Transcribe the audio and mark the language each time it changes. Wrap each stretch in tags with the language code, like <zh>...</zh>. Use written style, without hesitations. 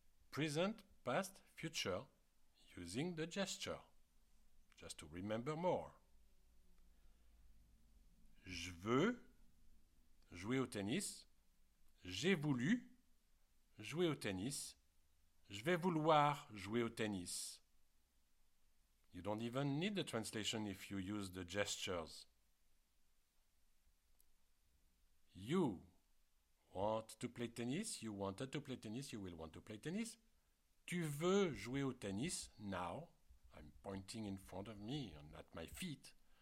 <en>Present, past, future, using the gesture, just to remember more.</en> <fr>Je veux jouer au tennis, j'ai voulu jouer au tennis, je vais vouloir jouer au tennis.</fr> <en>You don't even need the translation if you use the gestures. You want to play tennis, you wanted to play tennis, you will want to play tennis.</en> <fr>Tu veux jouer au tennis</fr> <en>now. I'm pointing in front of me and at my feet.</en>